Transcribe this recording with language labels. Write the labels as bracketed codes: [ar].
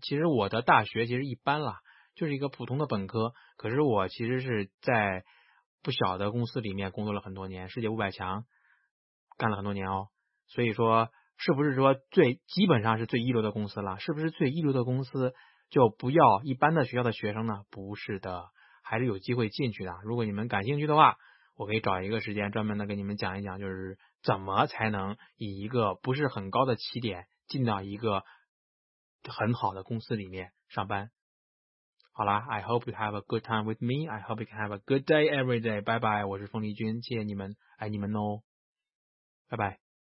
[zh] 其实我的大学其实一般了，就是一个普通的本科，可是我其实是在不小的公司里面工作了很多年，世界500强干了很多年哦，所以说是不是说最基本上是最一流的公司了，是不是最一流的公司就不要一般的学校的学生呢？不是的，还是有机会进去的。如果你们感兴趣的话，我可以找一个时间专门的给你们讲一讲，就是怎么才能以一个不是很高的起点进到一个很好的公司里面上班。好啦， [en] I hope you have a good time with me. I hope you can have a good day every day. Bye bye. [zh] 我是凤梨君，谢谢你们，爱你们哦。拜拜。